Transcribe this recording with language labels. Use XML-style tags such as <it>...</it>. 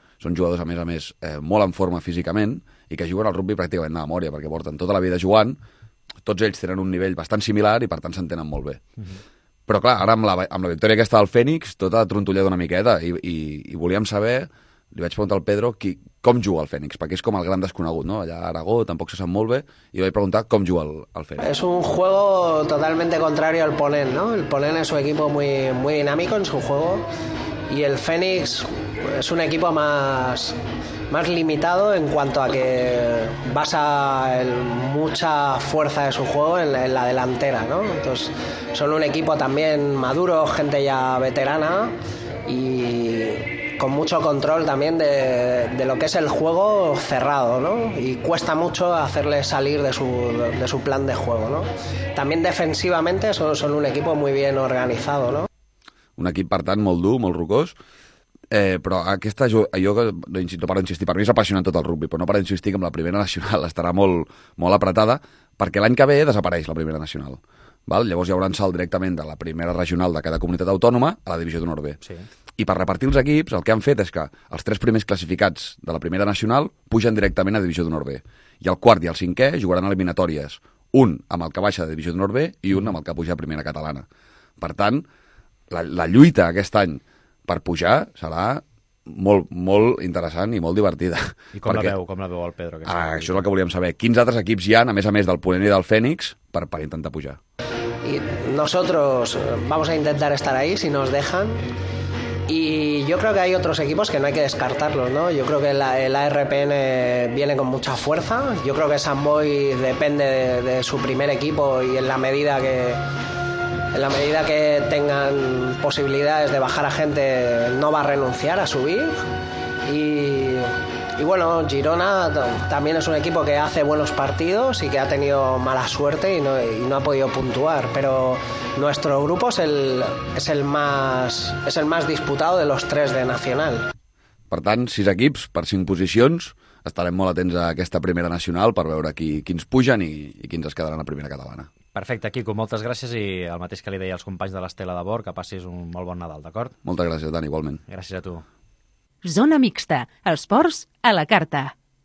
<ca>Són jugadors, a més, molt en forma físicament i que juguen al rugby pràcticament de memòria, perquè porten tota la vida jugant, tots ells tenen un nivell bastant similar i, per tant, s'entenen molt bé. Mm-hmm. Però, clar, ara amb la victòria aquesta del Fènix, tot ha trontollat una miqueta, i volíem saber, li vaig preguntar al Pedro, com juga el Fènix, perquè és com el gran desconegut, ¿no? Allà a Aragó tampoc se sap molt bé, i vaig preguntar com juga el Fènix.</ca> <es>És un juego totalmente contrario al Ponent, ¿no? El Ponent és un equipo muy, muy dinámico en su juego, y el Fènix es un equipo más limitado en cuanto a que basa mucha fuerza de su juego en la delantera, ¿no? Entonces, son un equipo también maduro, gente ya veterana, y con mucho control también de lo que es el juego cerrado, ¿no? Y cuesta mucho hacerle salir de su plan de juego, ¿no? También defensivamente son un equipo muy bien organizado, ¿no?</es> <ca>Un equip, per tant, molt dur, molt rugós. Però aquesta, jo no per insistir, per mi és apassionant tot el rugby, però no per insistir que amb la Primera Nacional estarà molt, molt apretada, perquè l'any que ve desapareix la Primera Nacional. Val? Llavors hi haurà un salt directament de la Primera Regional de cada comunitat autònoma a la Divisió d'Honor B. Sí. I per repartir els equips, el que han fet és que els tres primers classificats de la Primera Nacional pugen directament a la Divisió d'Honor B. I el quart i el cinquè jugaran eliminatòries, un amb el que baixa de Divisió d'Honor B i un amb el que puja a Primera Catalana. Per tant, la lluita aquest any per pujar serà molt, molt interessant i molt divertida. I com perquè, la veu? Com la veu el Pedro? Que això és el que volíem saber. Quins altres equips hi ha, a més del Ponent i del Fènix, per intentar pujar?</ca> <es>Y nosotros vamos a intentar estar ahí, si nos dejan. Y yo creo que hay otros equipos que no hay que descartarlos, ¿no? Yo creo que el ARPN viene con mucha fuerza. Yo creo que San Boy depende de su primer equipo y en la medida que... En la medida que tengan posibilidades de bajar a gente, no va a renunciar a subir. Y bueno, Girona también es un equipo que hace buenos partidos y que ha tenido mala suerte y no ha podido puntuar. Pero nuestro grupo es el más disputado de los tres de Nacional.</es> <ca>Per tant, sis equips per cinc posicions. Estarem molt atents a aquesta Primera Nacional per veure quins pugen i quins es quedaran a Primera Catalana. Perfecte, Quico, moltes gràcies, i el mateix que li deia als companys de l'Estela de Bord, que passis un molt bon Nadal, d'acord? Moltes gràcies, Dani, igualment. Gràcies a tu. Zona Mixta, esports a la carta.</ca>